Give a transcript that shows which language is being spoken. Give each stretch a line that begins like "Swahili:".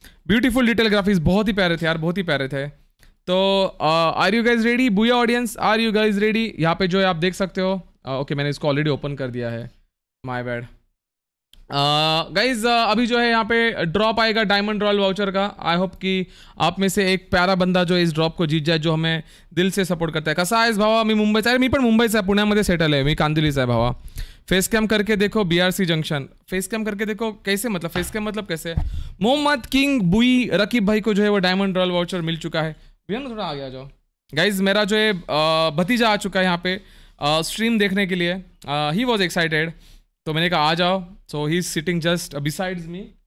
Hindi: Beautiful detail graphics, बहुत ही प्यारे थे यार, बहुत ही प्यारे थे।
English: तो are you guys ready, बुआ audience are you guys ready?
Hindi: यहाँ पे जो है आप देख सकते हो, ओके मैंने इसको ऑलरेडी ओपन कर दिया है,
English: My bad guys.
Hindi: अभी जो है यहाँ पे ड्रॉप आएगा डायमंड रॉयल वाउचर का, आई होप कि आप में से एक प्यारा बंदा जो इस ड्रॉप को जीत जाए, जो हमें दिल से सपोर्ट करता है।
Marathi: कसा आहेस भावा, मी मुंबई चाहे, मी पण मुंबई चाहे, पुण्यामध्ये सेटल आहे, मी कांदिवलीचा आहे भावा।
Hindi: फेस कॅम करके देखो BRC जंक्शन, फेस कॅम करके देखो कैसे, मतलब फेस कॅम मतलब कैसे। मोहम्मद किंग बुई रकीब भाई को जो है वो डायमंड रॉयल वाउचर मिल चुका है, भैया थोड़ा आ गया जाओ गाइज। मेरा जो है भतीजा आ चुका है यहाँ पे स्ट्रीम देखने के लिए,
English: he was excited,
Hindi: तो मैंने कहा आ जाओ,
English: So he is sitting just besides me.